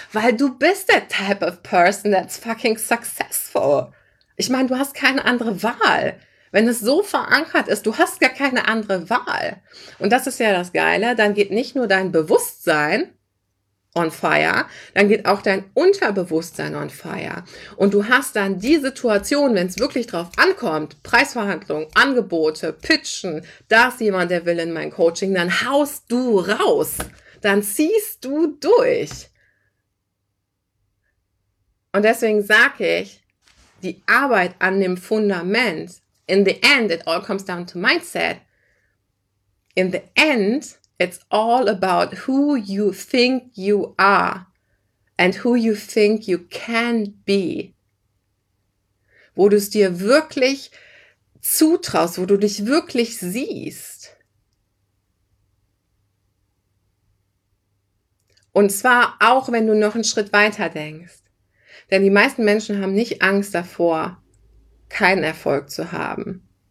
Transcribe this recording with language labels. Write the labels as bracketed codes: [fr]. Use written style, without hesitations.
[en] Weil du bist der type of person that's fucking successful. [de] Ich meine, du hast keine andere Wahl. Wenn es so verankert ist, du hast gar keine andere Wahl. Und das ist ja das Geile, dann geht nicht nur dein Bewusstsein on fire, dann geht auch dein Unterbewusstsein on fire. Und du hast dann die Situation, wenn es wirklich drauf ankommt, Preisverhandlung, Angebote, Pitchen, da ist jemand, der will in mein Coaching, dann haust du raus, dann ziehst du durch. Und deswegen sage ich, die Arbeit an dem Fundament, in the end, it all comes down to mindset. [en] In the end, it's all about who you think you are and who you think you can be. [de] Wo du es dir wirklich zutraust, wo du dich wirklich siehst. Und zwar auch, wenn du noch einen Schritt weiter denkst. Denn die meisten Menschen haben nicht Angst davor, keinen Erfolg zu haben.